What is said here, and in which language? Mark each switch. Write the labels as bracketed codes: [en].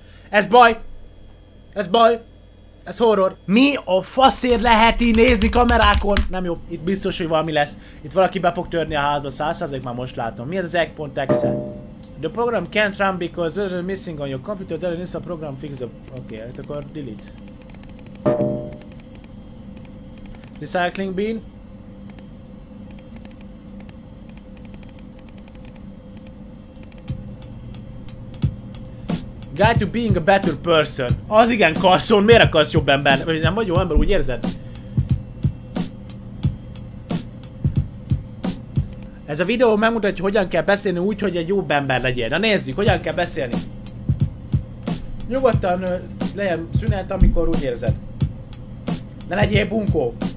[hu] Ez baj! Ez baj! Ez horror. Mi a faszért lehet így nézni kamerákon? Nem jó, itt biztos, hogy valami lesz. Itt valaki be fog törni a házba, 100% már most látom. Mi ez az egg.exe? [en] The program can't run because version missing on your computer, there is a program fix up. [hu] Okay, hát akkor delete. [en] Recycling bin. Guide to being a better person. [hu] Az igen, Carson, miért akarsz jobb ember? Nem vagy jó ember, úgy érzed? Ez a videó megmutatja, hogyan kell beszélni úgy, hogy egy jobb ember legyél. Na nézzük, hogyan kell beszélni. Nyugodtan legyen szünet, amikor úgy érzed. Ne legyél bunkó.